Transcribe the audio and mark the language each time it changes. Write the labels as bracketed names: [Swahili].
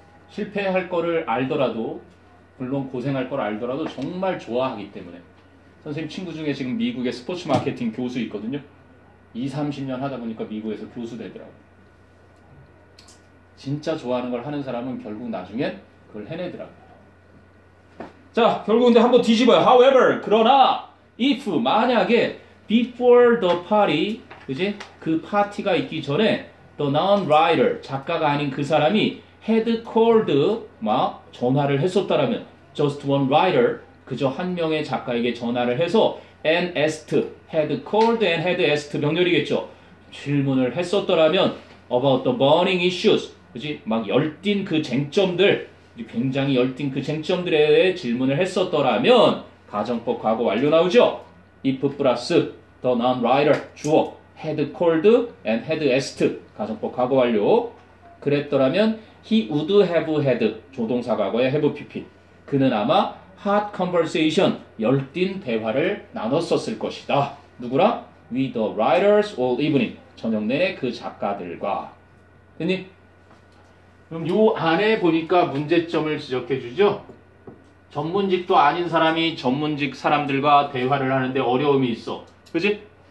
[Korean] 실패할 거를 알더라도, 물론 고생할 걸 알더라도 정말 좋아하기 때문에. 선생님 친구 중에 지금 미국의 스포츠 마케팅 교수 있거든요. 20-30년 하다 보니까 미국에서 교수 되더라고. 진짜 좋아하는 걸 하는 사람은 결국 나중에 그걸 해내더라고. 자, 결국 근데 한번 뒤집어요. [English] However, 그러나, if, 만약에, before the party, 그지? [Korean] 그 파티가 있기 전에, [English] the non-writer, [Korean] 작가가 아닌 그 사람이 had called, 막, 전화를 했었다라면, [English] just one writer, [Korean] 그저 한 명의 작가에게 전화를 해서, and asked, [English] had called and had asked, [Korean] 명렬이겠죠? 질문을 했었더라면, [English] about the burning issues, [Korean] 그지? 막 열띤 그 쟁점들, 굉장히 열띤 그 쟁점들에 대해 질문을 했었더라면 가정법 과거 완료 나오죠? if plus the non-writer 주어 had called and had asked 가정법 과거 완료 그랬더라면 [English] he would have had [Korean] 조동사 과거의 have pp 그는 아마 hot conversation 열띤 대화를 나눴었을 것이다. 누구랑? [English] with the writers all evening [Korean] 저녁 내내 그 작가들과 됐니? 그럼 요 안에 보니까 문제점을 지적해 주죠. 전문직도 아닌 사람이 전문직 사람들과 대화를 하는데 어려움이 있어. 그치?